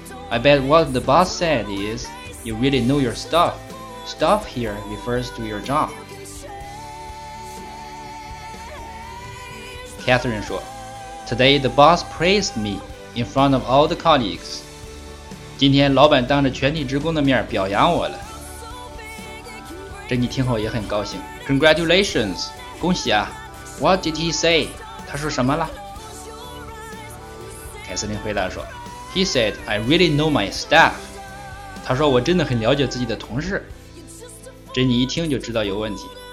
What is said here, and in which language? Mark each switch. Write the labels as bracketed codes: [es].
[en] I bet what the boss said is, you really know your stuff. Stuff here refers to your job. Catherine [zh] 说, [en] Today the boss praised me in front of all the colleagues. [zh] 今天老板当着全体职工的面表扬我了。这你听后也很高兴。 [en] Congratulations, [zh] 恭喜啊。 [en] What did he say? [zh] 他说什么了？凯瑟琳回答说 [en] He said, I really know my staff. [zh] 他说我真的很了解自己的同事。珍妮一听就知道有问题。